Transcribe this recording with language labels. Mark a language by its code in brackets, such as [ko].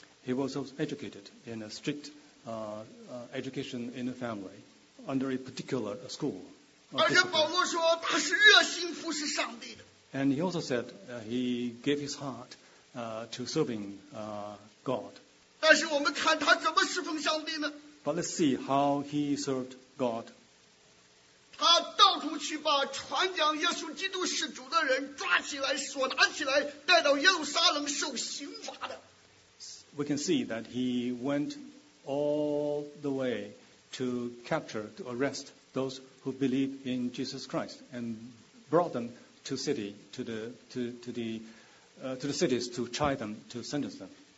[en] He was also educated in a strict education in the family, under a particular school. [zh] 而且保罗说他是热心服侍上帝的。 [en] And he also said he gave his heart to serving God. [zh] 但是我们看他怎么侍奉上帝呢？ [en] But let's see how he served God. [zh] 他到处去把传讲耶稣基督是主的人抓起来、锁拿起来、带到耶路撒冷受刑罚的。 [en] We can see that he went all the way to capture, to arrest those who believe in Jesus Christ and brought them to city to the cities to try them, to sentence them.